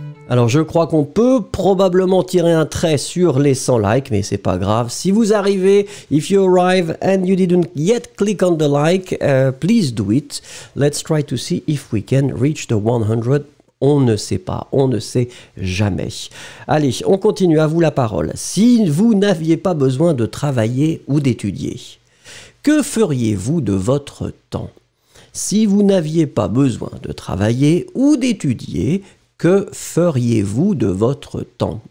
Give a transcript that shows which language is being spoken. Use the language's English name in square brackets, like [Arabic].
[French] Alors, je crois qu'on peut probablement tirer un trait sur les 100 likes, mais c'est pas grave. Si vous arrivez, [English] if you arrive and you didn't yet click on the like, please do it. Let's try to see if we can reach the 100. [French] On ne sait pas, on ne sait jamais. Allez, on continue, à vous la parole. Si vous n'aviez pas besoin de travailler ou d'étudier, que feriez-vous de votre temps? Si vous n'aviez pas besoin de travailler ou d'étudier, que feriez-vous de votre temps?